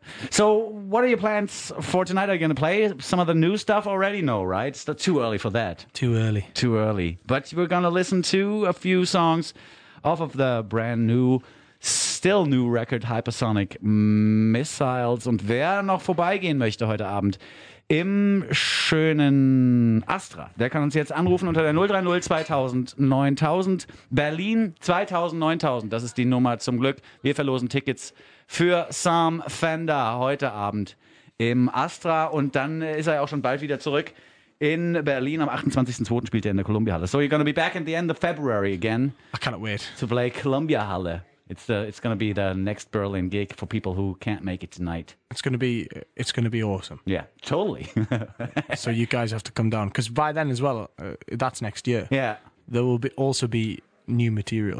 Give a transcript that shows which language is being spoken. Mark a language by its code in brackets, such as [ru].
[en] So what are your plans for tonight? Are you going to play some of the new stuff already? No, right? It's too early for that. Too early. But we're going to listen to a few songs off of the brand new, still new record, Hypersonic Missiles. [de] Und wer noch vorbeigehen möchte heute Abend im schönen Astra, der kann uns jetzt anrufen unter der 030 2000 9000. Berlin 2000 9000, das ist die Nummer zum Glück. Wir verlosen Tickets für Sam Fender heute Abend im Astra. Und dann ist er ja auch schon bald wieder zurück in Berlin. Am 28.02. spielt er in der Columbia-Halle. [en] So you're gonna be back at the end of February again. I cannot wait. To play Columbia-Halle. It's gonna be the next Berlin gig for people who can't make it tonight. It's gonna be awesome. Yeah, totally. So you guys have to come down, because by then as well, that's next year. Yeah, there will also be new material.